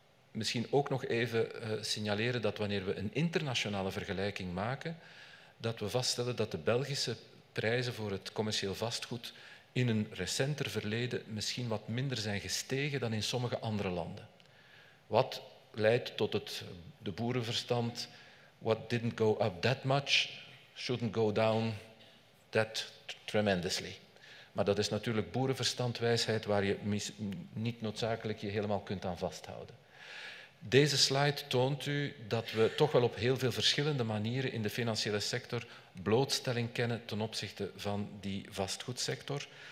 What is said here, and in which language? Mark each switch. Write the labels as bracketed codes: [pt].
[nl] Misschien ook nog even signaleren dat wanneer we een internationale vergelijking maken, dat we vaststellen dat de Belgische prijzen voor het commercieel vastgoed in een recenter verleden misschien wat minder zijn gestegen dan in sommige andere landen. Wat leidt tot de boerenverstand, [en] what didn't go up that much, shouldn't go down that tremendously. [nl] Maar dat is natuurlijk boerenverstandwijsheid waar je niet noodzakelijk je helemaal kunt aan vasthouden. Deze slide toont u dat we toch wel op heel veel verschillende manieren in de financiële sector blootstelling kennen ten opzichte van die vastgoedsector.